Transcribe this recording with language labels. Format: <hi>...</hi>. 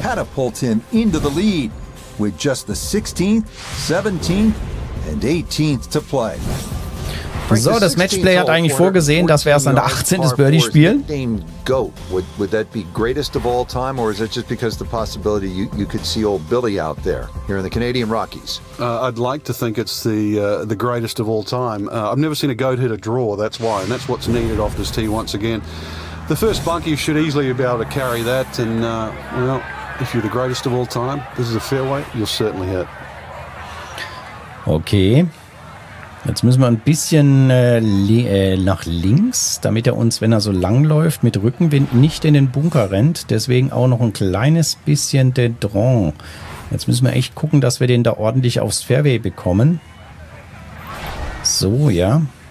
<en>Catapult him into the lead with just the 16th, 17th and 18th to play.</en> <de>So, das Matchplay hat eigentlich vorgesehen, dass wir erst an der 18. das Birdie spielen.</de> <en>Would that be greatest of all time or is it just because the possibility you could see old Billy out there here in the Canadian Rockies? I'd like to think it's the greatest of all time. I've never seen a goat hit a draw, that's why, and that's what's needed off this tee once again. The first bunker, you should easily be able to carry that, and if you're the greatest of all time, this is a fairway, you'll certainly hit.</en> <de>Okay, jetzt müssen wir ein bisschen nach links, damit er uns, wenn er so lang läuft, mit Rückenwind nicht in den Bunker rennt. Deswegen auch noch ein kleines bisschen den Drang. Jetzt müssen wir echt gucken, dass wir den da ordentlich aufs Fairway bekommen. So, ja.</de>